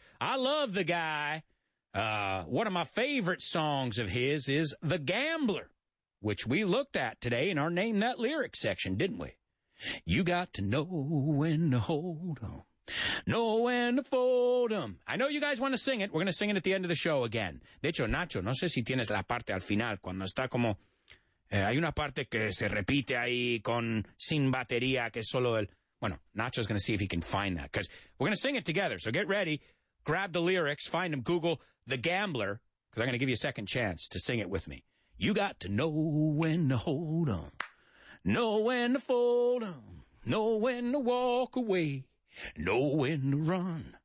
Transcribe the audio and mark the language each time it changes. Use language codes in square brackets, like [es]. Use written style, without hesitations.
[en] I love the guy. One of my favorite songs of his is The Gambler, which we looked at today in our Name That Lyric section, didn't we? You got to know when to hold 'em, know when to fold 'em. I know you guys want to sing it. We're going to sing it at the end of the show again. [es] De hecho, Nacho, no sé si tienes la parte al final, cuando está como... hay una parte que se repite ahí con sin batería, que solo el... [en] Bueno, Nacho's going to see if he can find that, because we're going to sing it together. So get ready, grab the lyrics, find them, Google The Gambler, because I'm going to give you a second chance to sing it with me. You got to know when to hold 'em, know when to fold 'em, know when to walk away, know when to run.